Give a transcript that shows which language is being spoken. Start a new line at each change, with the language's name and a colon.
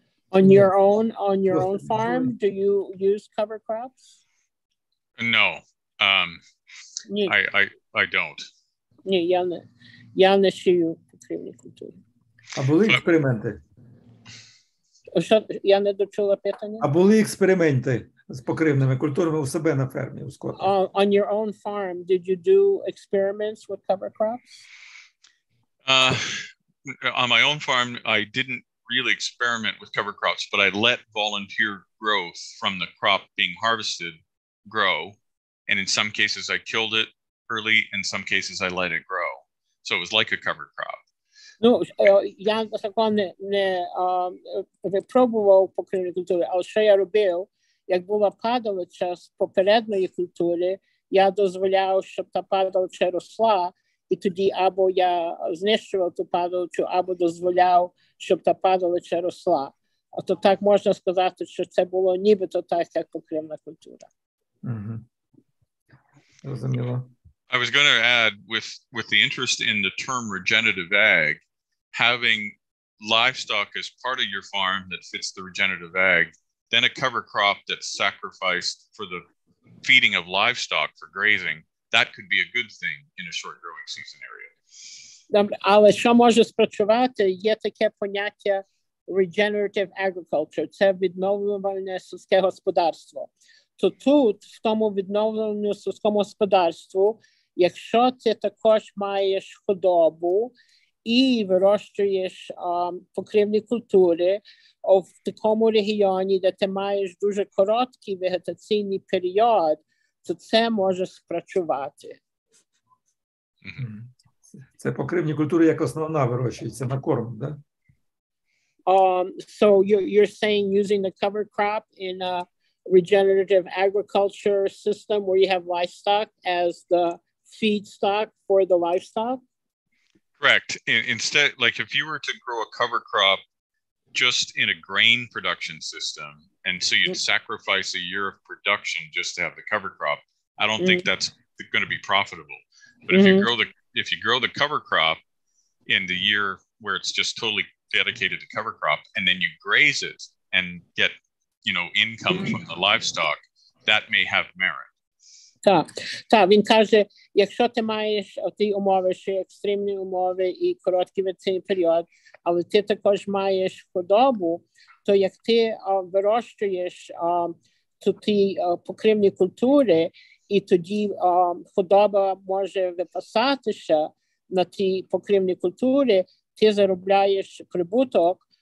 English: On your own farm, do you use cover crops? No, I don't.
Ukrainian: Ні, я не сію покривні культури. А були експерименти? Що, я не дочула питання? А були експерименти з покривними культурами у себе на фермі, у Скотті?
English: On your own farm, did you do experiments with cover crops? On my own farm, I didn't really experiment with cover crops, but I let volunteer growth from the crop being harvested grow. And in some cases, I killed it early. In some cases, I let it grow. So it was like a cover crop.
Ukrainian: Ну, я також не випробував покривні культури, але що я робив, як була падалича з попередньої культури, я дозволяв, щоб та падалича росла, і тоді або я знищував ту падалочу, або дозволяв, щоб та падалича росла. А то так можна сказати, що це було нібито так, як покривна культура. Розуміло.
English: I was going to add, with the interest in the term regenerative ag, having livestock as part of your farm that fits the regenerative ag, then a cover crop that's sacrificed for the feeding of livestock for grazing, that could be a good thing in a short growing season area.
Ukrainian: Але що може спрацювати, є таке поняття regenerative agriculture, це відновлювальне сільське господарство. То тут, в тому відновленому сільському господарству, якщо ти також маєш худобу і вирощуєш покривні культури в такому регіоні, де ти маєш дуже короткий вегетаційний період, то це може спрацювати. Це покривні культури як основна вирощується на корм, так? Да?
English: So you're saying using the cover crop in a regenerative agriculture system where you have livestock as the feedstock for the livestock? Correct. Instead, like if you were to grow a cover crop just in a grain production system, and so you'd sacrifice a year of production just to have the cover crop, I don't think that's going to be profitable. But if you grow the cover crop in the year where it's just totally dedicated to cover crop, and then you graze it and get, you know, income from the livestock, that may have merit.
Ukrainian: Так, він каже, якщо ти маєш ті умови, ще екстремні умови і короткий вегетаційний період, але ти також маєш худобу, то як ти вирощуєш ті покривні культури, і тоді худоба може випасатися на ті покривні культури, ти заробляєш прибуток,